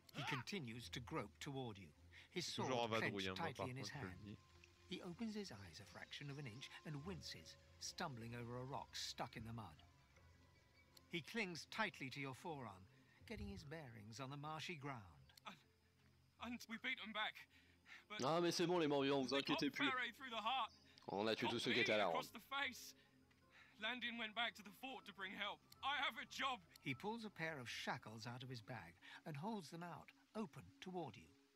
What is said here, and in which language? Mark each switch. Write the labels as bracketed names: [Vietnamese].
[English] He continues to grope toward you. His sword clenched tightly in his hand. He opens his eyes a fraction of an inch and winces, stumbling over a rock stuck in the mud. He clings tightly to your forearm, getting his bearings on the marshy ground. And we beat them back. But [French] ah, mais c'est bon, les morions, vous inquiétez plus. [English] Through the heart. [French] On a tué tous ceux qui étaient à la ronde. [English] Landin went back to the fort to bring help. I have a job. He pulls a pair of shackles out of his bag and holds them out, open toward you.